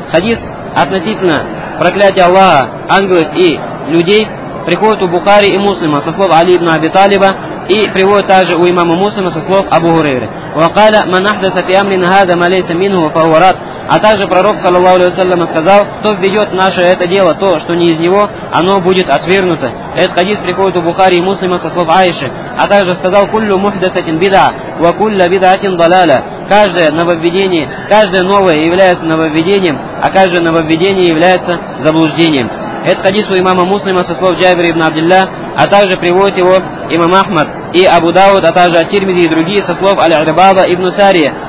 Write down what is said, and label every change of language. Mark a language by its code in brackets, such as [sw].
[ru] Хадис относительно проклятия Аллаха, ангелов и людей приходит у Бухари и Муслима со слов Али ибн Аби Талиба и приводит также у имама Муслима со слов Абу Хурейры. [ar] وَقَالَ مَنْ أَحْدَثَ فِي أَمْرِنَ هَذَا مَا لَيْسَ مِنْهُ فَهُوَ رَدٌّ. [ru] А также пророк, саллаллаху алейхи ва саллям, сказал: кто введет наше это дело, то, что не из него, оно будет отвергнуто. Этот хадис приходит у Бухари и Муслима со слов Аиши. А также сказал: [ar] كُلُّ مُحْدَثَةٍ بِدْعَةٌ وَكُلَّ بِدْعَةٍ ضَلَالَةٌ. [ru] Каждое нововведение, каждое новое является нововведением, а каждое нововведение является заблуждением. Это хадис у имама Муслима со слов Джабира ибн Абдилля, а также приводит его имам Ахмад и Абу Дауд, а также Ат-Тирмизи и другие со слов Аль-Арбаба ибн Сария.